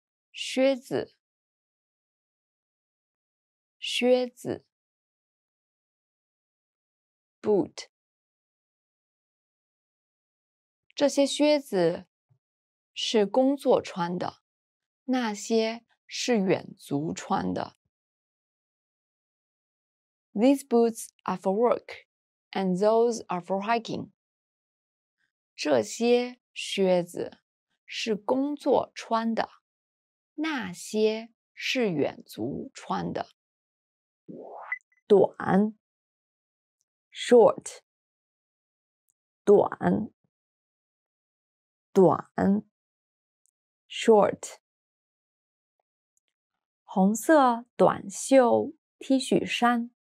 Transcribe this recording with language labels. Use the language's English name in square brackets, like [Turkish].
[Chinese] 靴子靴子 [English] boot. [Chinese] 这些靴子是工作穿的那些是远足穿的 [English] These boots are for work and those are for hiking. [Chinese] 这些靴子是工作穿的那些是远足穿的短 short 短短 short 红色短袖 T 恤衫